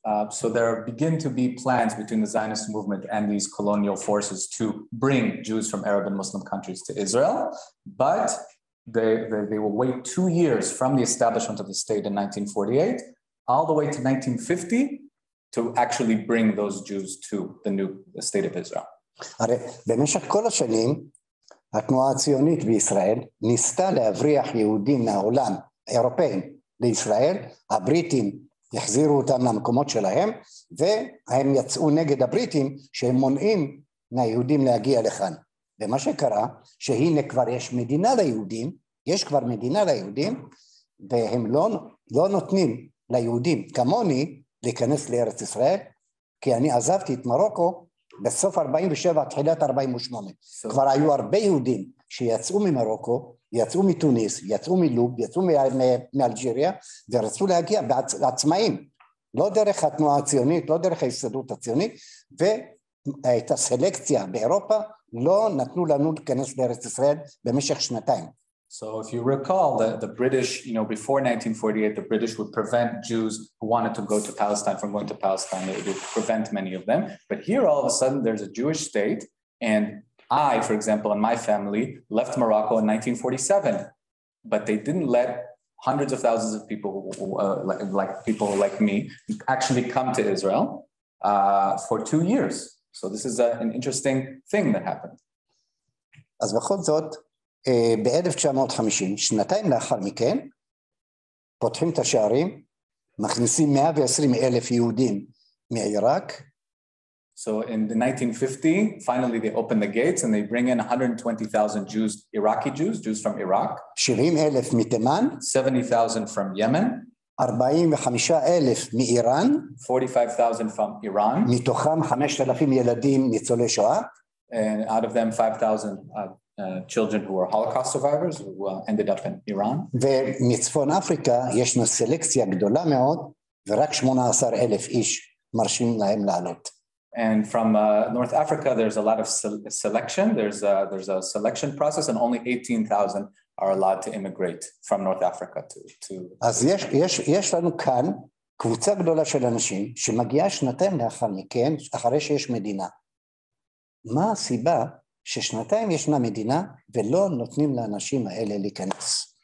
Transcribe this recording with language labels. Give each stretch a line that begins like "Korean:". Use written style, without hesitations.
English: So there begin to be plans between the Zionist movement and these colonial forces to bring Jews from Arab and Muslim countries to Israel, but they will wait 2 years from the establishment of the state in 1948 all the way to 1950 to actually bring those Jews to the new state of Israel.
Hebrew: הרי במשך כל השנים התנועה הציונית בישראל ניסתה להבריח יהודים מהעולם, אירופאים, לישראל, הבריטים יחזירו אותם למקומות שלהם, והם יצאו נגד הבריטים שהם מונעים מהיהודים להגיע לכאן. ומה שקרה, שהנה כבר יש מדינה ליהודים, יש כבר מדינה ליהודים, והם לא נותנים ליהודים כמוני להיכנס לארץ ישראל, כי אני עזבתי את מרוקו, בסוף 47, תחילת 48, כבר היו הרבה יהודים שיצאו ממרוקו, יצאו מתוניס, יצאו מלוב, יצאו מאלג'יריה, ורצו להגיע בעצמאים, לא דרך התנועה הציונית, לא דרך ההסתדרות הציונית, ואת הסלקציה באירופה לא נתנו לנו להיכנס לארץ ישראל במשך שנתיים.
English: So if you recall, the British, you know, before 1948, the British would prevent Jews who wanted to go to Palestine from going to Palestine. It would prevent many of them. But here, all of a sudden, there's a Jewish state. And I, for example, and my family left Morocco in 1947. But they didn't let hundreds of thousands of people, like people like me, actually come to Israel for 2 years. So this is an interesting thing that happened.
Hebrew: אז בכל זאת, ב-1950, שנתיים לאחר מכן, פותחים את השערים, מכניסים 120 אלף יהודים מעיראק.
English: So in the 1950, finally they open the gates and they bring in 120,000 Jews, Iraqi Jews, Jews from Iraq.
Hebrew: 70,000 מתימן.
English: 70,000 from Yemen.
Hebrew: 45,000 מאיראן.
English: 45,000 from Iran.
Hebrew: מתוכם 5,000 ילדים ניצולי שואה.
English: And out of them, 5,000 children who were Holocaust survivors who ended up in Iran.
Hebrew: ומצפון אפריקה ישנו סלקציה גדולה מאוד, ורק 18,000 איש מרשים להם לעלות.
English: And from North Africa, there's a lot of selection. There's a selection process, and only 18,000 are allowed to immigrate from North Africa to.
Hebrew: אז יש לנו כאן קבוצה גדולה של אנשים שמגיעה שנתיים לאחר מכן, אחרי שיש מדינה. מה הסיבה ששנתיים ישנה מדינה ולא נותנים לאנשים האלה להיכנס?